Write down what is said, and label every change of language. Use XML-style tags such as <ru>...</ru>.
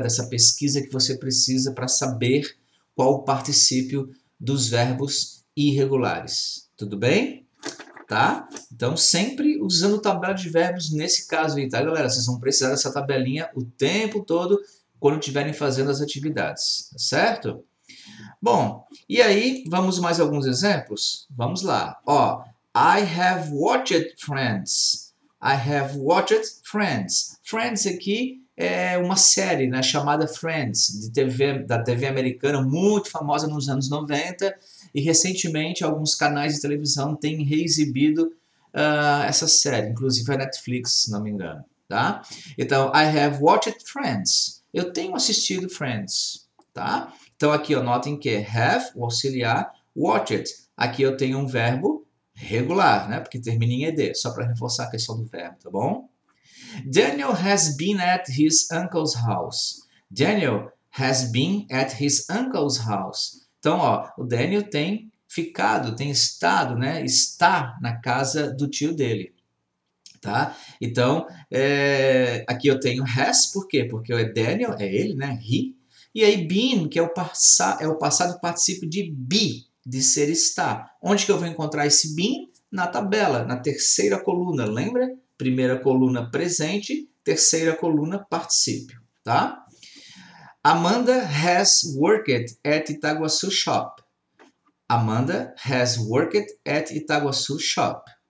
<pt>Dessa pesquisa que você precisa para saber qual o particípio dos verbos irregulares? Tudo bem? Tá? Então, sempre usando tabela de verbos nesse caso aí, tá, galera? Vocês vão precisar dessa tabelinha o tempo todo quando estiverem fazendo as atividades, certo? Bom, e aí, vamos mais alguns exemplos? Vamos lá.</pt> <en>Ó, I have watched Friends. I have watched Friends.</en> <pt>Friends aqui é uma série, né, chamada Friends, da TV americana, muito famosa nos anos 90, e recentemente alguns canais de televisão têm reexibido essa série, inclusive a Netflix, se não me engano, tá? Então,</pt> <en>I have watched Friends.</en> <pt>Eu tenho assistido Friends, tá? Então aqui, ó, notem que é have, o auxiliar, watched. Aqui eu tenho um verbo regular, né, porque termina em ED, só para reforçar a questão do verbo, tá bom?</pt> <en>Daniel has been at his uncle's house. Daniel has been at his uncle's house.</en> <pt>Então, ó, o Daniel tem ficado, tem estado, né? Está na casa do tio dele, tá? Então, aqui eu tenho has, por quê? Porque é Daniel, é ele, né? He. E aí, been, que é o passado participio de be, de ser está. Onde que eu vou encontrar esse been? na tabela, na terceira coluna, lembra? Primeira coluna presente, terceira coluna particípio, tá?</pt> <en>Amanda has worked at Itaguaçu shop. Amanda has worked at Itaguaçu shop.</en>